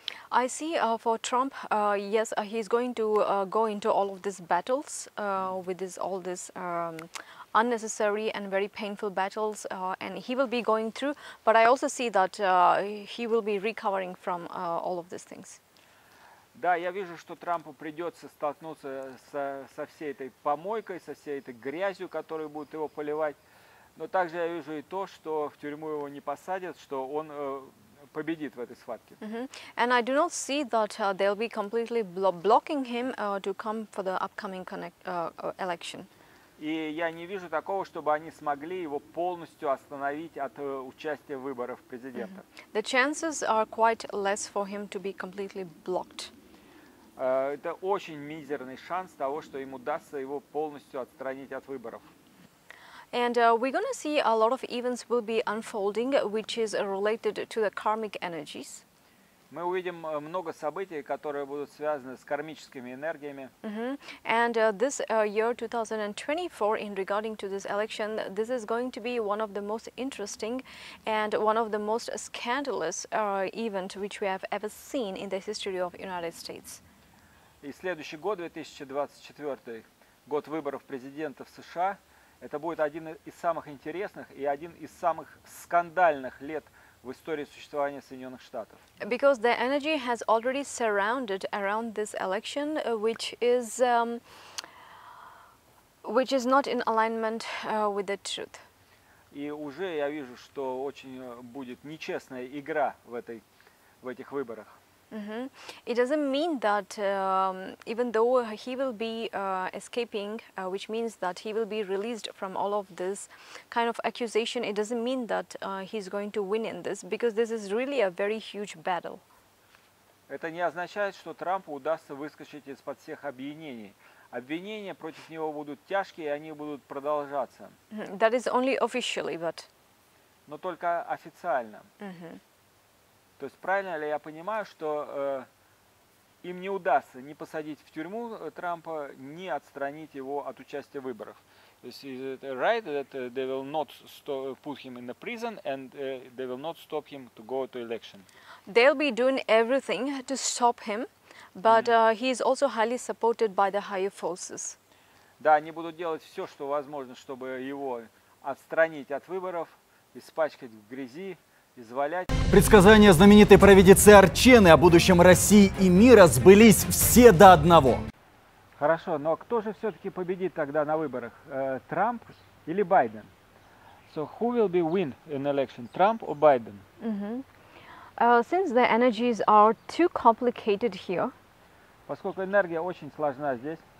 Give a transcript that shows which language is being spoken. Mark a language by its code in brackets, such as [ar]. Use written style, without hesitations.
[en] I see for Trump, yes, he's going to go into all of these battles with this, all these unnecessary and very painful battles, and he will be going through, but I also see that he will be recovering from all of these things. [ru] Да, я вижу, что Трампу придется столкнуться со всей этой помойкой, со всей этой грязью, которую будут его поливать, но также я вижу и то, что в тюрьму его не посадят, что он... победит в этой схватке. Mm-hmm. [en] And I do not see that they'll be completely blocking him to come for the upcoming election. [ru] И я не вижу такого, чтобы они смогли его полностью остановить от участия в выборах президента. Mm-hmm. [en] The chances are quite less for him to be completely blocked. [ru] Это очень мизерный шанс того, что ему удастся его полностью отстранить от выборов. [en] And we're going to see a lot of events will be unfolding, which is related to the karmic energies. [ru] Мы увидим много событий, которые будут связаны с кармическими энергиями. Mm-hmm. [en] And this year 2024, in regarding to this election, this is going to be one of the most interesting and one of the most scandalous event which we have ever seen in the history of United States. [ru] И следующий год, 2024, год выборов президента в США. Это будет один из самых интересных и один из самых скандальных лет в истории существования Соединенных Штатов. [en] Because the energy has already surrounded around this election, which is not in alignment with the truth. [ru] И уже я вижу, что очень будет нечестная игра в этих выборах. Mm-hmm. [en] It doesn't mean that even though he will be escaping, which means that he will be released from all of this kind of accusation, it doesn't mean that he's going to win in this, because this is really a very huge battle. [ru] Это не означает, что Трампу удастся выскочить из-под всех обвинений. Обвинения против него будут тяжкие, и они будут продолжаться. [en] Mm-hmm. That is only officially, but... [ru] Но только официально. Mm-hmm. То есть правильно ли я понимаю, что им не удастся ни посадить в тюрьму Трампа, ни отстранить его от участия в выборах? То есть, [en] is it right that they will not put him in the prison and they will not stop him to go to election? They'll be doing everything to stop him, but he is also highly supported by the higher forces. [ru] Да, они будут делать все, что возможно, чтобы его отстранить от выборов, испачкать в грязи, извалять. Предсказания знаменитой провидицы Арчены о будущем России и мира сбылись все до одного. Хорошо, но кто же все-таки победит тогда на выборах? Трамп или Байден? [en] So who will be win in election, Trump or Biden? Since the energies are too complicated here. [ru] Поскольку энергия очень сложна здесь.